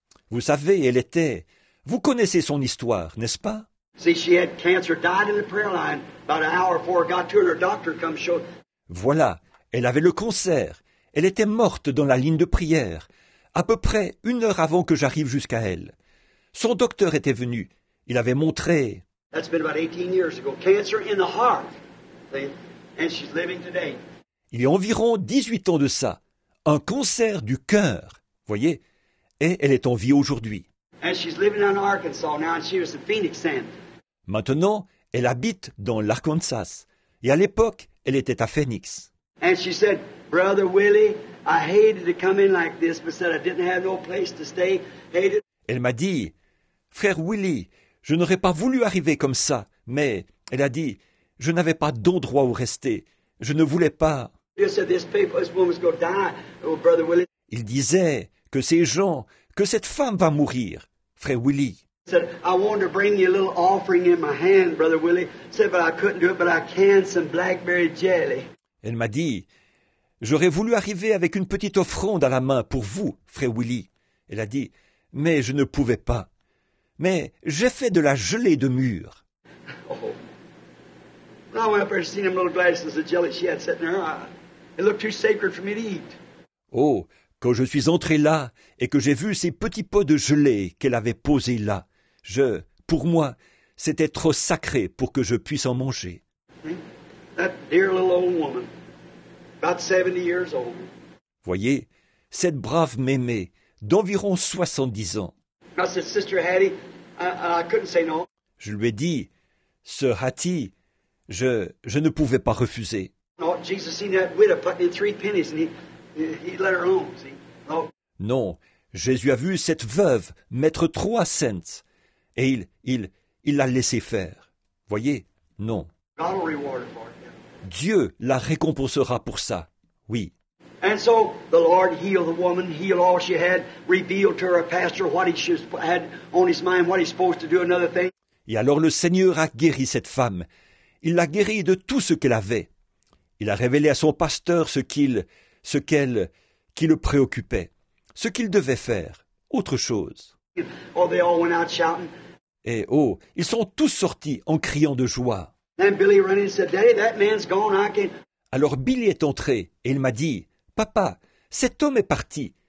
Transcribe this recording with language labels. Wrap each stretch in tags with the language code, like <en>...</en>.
<fr>Vous savez, elle était, vous connaissez son histoire, n'est-ce pas?</fr> <en>See, she had cancer, died in the prayer line about an hour before I got to her, and her doctor comes showed.</en> <fr>Voilà, elle avait le cancer. Elle était morte dans la ligne de prière, à peu près une heure avant que j'arrive jusqu'à elle. Son docteur était venu. Il avait montré.</fr> <en>That's been about 18 years ago. Cancer in the heart. And she's living today.</en> <fr>Il y a environ 18 ans de ça. Un cancer du cœur. Voyez. Et elle est en vie aujourd'hui.</fr> <en>And she's living in Arkansas now, and she was in Phoenix then.</en> <fr>Maintenant, elle habite dans l'Arkansas. Et à l'époque, elle était à Phoenix.</fr> <en>And she said, Brother Willie, I hated to come in like this, but said I didn't have no place to stay. Hated.</en> <fr>Elle m'a dit, Frère Willie, je n'aurais pas voulu arriver comme ça, mais elle a dit, je n'avais pas d'endroit où rester. Je ne voulais pas.</fr> <en>She said, this people, this woman's gonna die, oh, Brother Willie.</en> <fr>Il disait que ces gens, que cette femme va mourir, Frère Willie.</fr> <en>Said, I wanted to bring you a little offering in my hand, Brother Willie. Said, but I couldn't do it, but I canned some blackberry jelly.</en> <fr>Elle m'a dit, j'aurais voulu arriver avec une petite offrande à la main pour vous, Frère Willie. Elle a dit, mais je ne pouvais pas. Mais j'ai fait de la gelée de mûre.</fr> <en>Oh. I went up there and seen them little glasses of jelly she had sitting there. It looked too sacred for me to eat.</en> <fr>Oh, quand je suis entré là et que j'ai vu ces petits pots de gelée qu'elle avait posés là, je, pour moi, c'était trop sacré pour que je puisse en manger.</fr> <en>That dear little old woman, about 70 years old.</en> <fr>Voyez, cette brave mémé d'environ 70 ans.</fr> <en>I said, Sister Hattie, I couldn't say no.</en> <fr>Je lui ai dit, Sœur Hattie, je ne pouvais pas refuser.</fr> <en>No, Jesus seen that widow putting in three pennies and he let her alone, see? No.</en> <fr>Non, Jésus a vu cette veuve mettre 3 cents et il l'a laissé faire. Voyez, non.</fr> <en>God will reward her for it.</en> <fr>Dieu la récompensera pour ça, oui.</fr> <en>And so the Lord healed the woman, healed all she had, revealed to her pastor what he should had on his mind, what he's supposed to do, another thing.</en> <fr>Et alors le Seigneur a guéri cette femme. Il l'a guéri de tout ce qu'elle avait. Il a révélé à son pasteur ce qui le préoccupait, ce qu'il devait faire, autre chose.</fr> <en>Oh, they all went out shouting.</en> <fr>Et oh, ils sont tous sortis en criant de joie.</fr> <en>Then Billy ran and said, Daddy, that man's gone. I can't.</en> <fr>Alors Billy est entré et il m'a dit, « Papa, cet homme est parti.</fr>